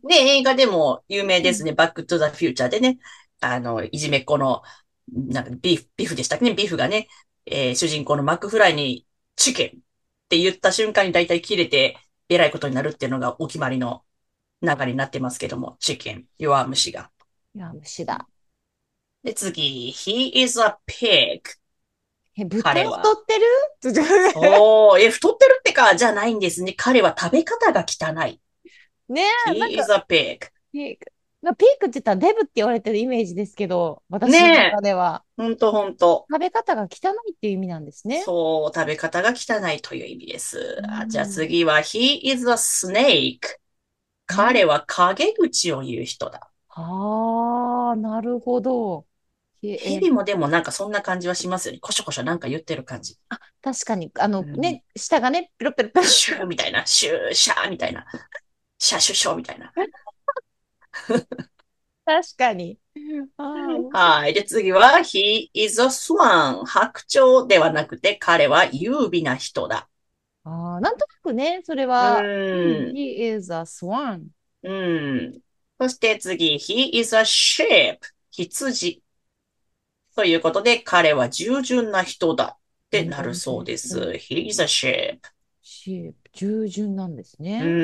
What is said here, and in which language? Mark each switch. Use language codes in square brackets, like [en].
[ja] ね、映画でも有名ですね。バックトゥザフューチャーでね。いじめっ子の、なんかビーフでしたっけね。ビーフがね、主人公のマックフライに、チキンって言った瞬間に大体切れて、えらいことになるっていうのがお決まりの流れになってますけども、チキン、弱虫が。弱虫だ。 [en] で、次、He is a pig. [ja] 彼は。太ってる？おー、太ってるってか、じゃないんですね。彼は食べ方が汚い。ねえ、 [en] He is a pig. [ja] ピークって言ったらデブって言われてるイメージですけど、私の中では。ねえ、ほんとほんと。食べ方が汚いっていう意味なんですね。そう、食べ方が汚いという意味です。 [en] じゃあ次は、He is a snake. [ja] 彼は陰口を言う人だ。ああ、なるほど。ヘビもでもなんかそんな感じはしますよね。コショコショなんか言ってる感じ。あ、確かに。ね、舌がね、ペロペロペロ。シューみたいな。シューシャーみたいな。シャシュショーみたいな。確かに。はい。 [en] で、次は、He is a swan. [ja] 白鳥ではなくて、彼は優美な人だ。ああ、なんとなくね、それは。 [en] He is a swan. そして次、He is a sheep. 羊。 [ja] ということで、彼は従順な人だってなるそうです。うん、 [en] He's a sheep。 [ja] シープ、従順なんですね。